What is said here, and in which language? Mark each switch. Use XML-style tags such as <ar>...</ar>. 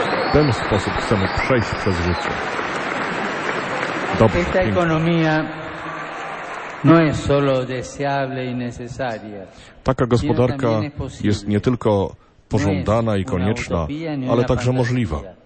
<pl>W ten sposób chcemy przejść przez życie. Dobrze,</pl> <es>esta ekonomia no es solo deseable y necesaria.</es> <pl>Taka gospodarka jest nie tylko pożądana i konieczna, ale także możliwa.</pl>